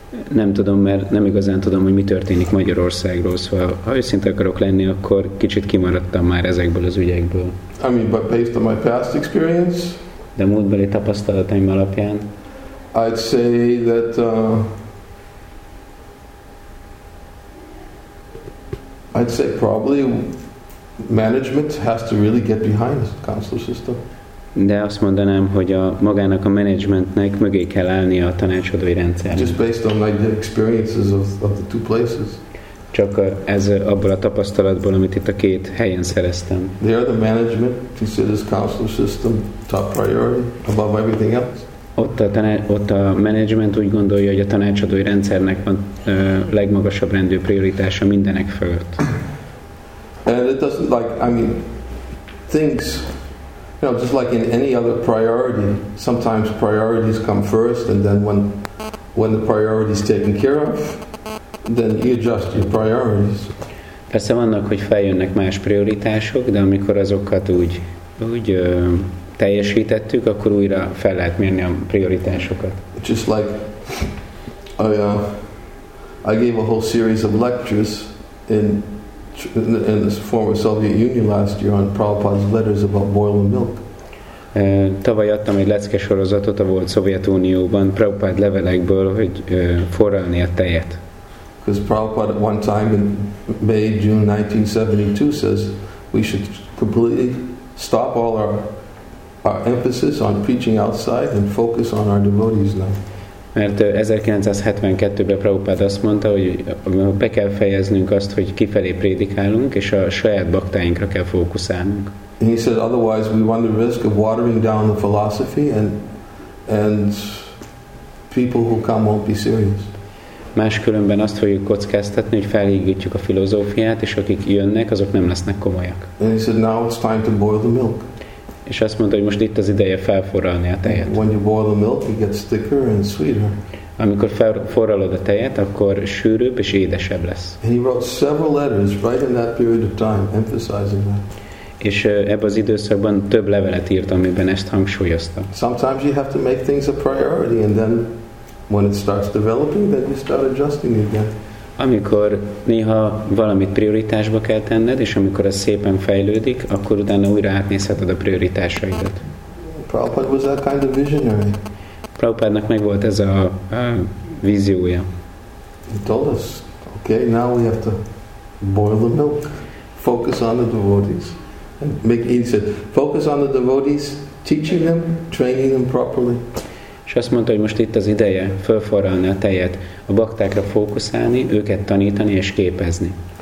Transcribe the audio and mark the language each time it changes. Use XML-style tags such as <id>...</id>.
<hu>Nem tudom, mert nem igazán tudom, hogy mi történik Magyarországról, szóval ha őszinte akarok lenni, akkor kicsit kimaradtam már ezekből az ügyekből.</hu> <en>I mean, but based on my past experience,</en> <hu>de múltbeli tapasztalataim alapján,</hu> <en>I'd say that probably management has to really get behind the council system.</en> <hu>De azt mondanám, hogy a magának a menedzsmentnek mögé kell állni a tanácsadói rendszernek.</hu> <en>Just based on the experiences of the two places.</en> <hu>Csak ez abból a tapasztalatból, amit itt a két helyen szereztem.</hu> <en>They are the management considers council system top priority above everything else.</en> <hu>Ott a menedzsment úgy gondolja, hogy a tanácsadói rendszernek van legmagasabb rendű prioritása mindenek fölött.</hu> <en>And it doesn't things. You know, just like in any other priority, sometimes priorities come first, and then when the priority is taken care of, then you adjust your priorities.</en> <hu>Persze vannak, hogy feljönnek más prioritások, de amikor azokat úgy teljesítettük, akkor újra fel lehet mérni a prioritásokat.</hu> <en>Just like I gave a whole series of lectures in the former Soviet Union last year on Prabhupada's letters about boiling milk.</en> <hu>Tavaly adtam egy lecke sorozatot a volt Szovjetunióban Prabhupád levelekből, hogy forralni a tejet.</hu> <en>Because Prabhupada at one time in May, June 1972 says we should completely stop all our emphasis on preaching outside and focus on our devotees now.</en> <hu>Mert 1972-ben Prabhupád azt mondta, hogy be kell fejeznünk azt, hogy kifelé prédikálunk, és a saját baktáinkra kell fókuszálnunk.</hu> <en>And he said otherwise we run the risk of watering down the philosophy and people who come won't be serious.</en> <hu>Máskülönben azt fogjuk kockáztatni, hogy felhígítjük a filozófiát, és akik jönnek, azok nem lesznek komolyak.</hu> <en>And he said, now it's time to boil the milk.</en> <hu>És azt mondta, hogy most itt az ideje felforralni a tejet.</hu> <en>When you boil the milk, it gets thicker and sweeter.</en> <hu>Amikor felforralod a tejet, akkor sűrűbb és édesebb lesz.</hu> <en>And he wrote several letters right in that period of time, emphasizing that.</en> <hu>És ebben az időszakban több levelet írt, amiben ezt hangsúlyozta.</hu> <en>Sometimes you have to make things a priority, and then when it starts developing, then you start adjusting again.</en> <hu>Amikor néha valamit prioritásba kell tenned, és amikor ez szépen fejlődik, akkor utána újra átnézheted a prioritásaidat.</hu> <en>Prabhupada was that kind of visionary.</en> <hu>Prabhupádnak meg volt ez a víziója.</hu> <en>He told us, okay, now we have to boil the milk, focus on the devotees. And make it easy. Focus on the devotees, teaching them, training them properly.</en> <hu>És azt mondta, hogy most itt az ideje fölforralni a tejet, a baktákra fókuszálni, őket tanítani és képezni.</hu>